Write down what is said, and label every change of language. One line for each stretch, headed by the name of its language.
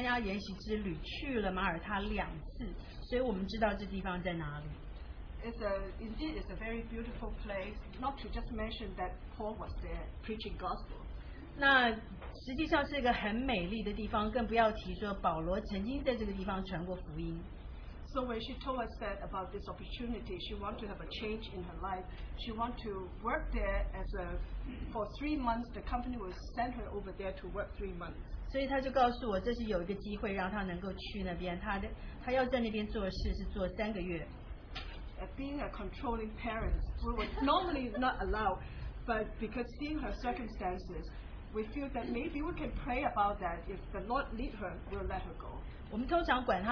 Chinese: 那因为我们跟贤熙珍弟兄参加研习之旅去了马耳他两次, 所以我们知道这地方在哪里。
English: It's a very beautiful place, not to just mention that Paul was there preaching gospel.
Chinese: 那实际上是一个很美丽的地方, 更不要提说保罗曾经在这个地方传过福音。
English: So when she told us that about this opportunity, she wanted to have a change in her life. She wanted to work there as a for 3 months. The company will send her over there to work 3 months.
Chinese: 所以她就告诉我，这是有一个机会让她能够去那边。她要在那边做事是做三个月。
English: Being a controlling parent, we would normally not allow, but because seeing her circumstances, we feel that maybe we can pray about that. If the Lord lead her, we'll let her go.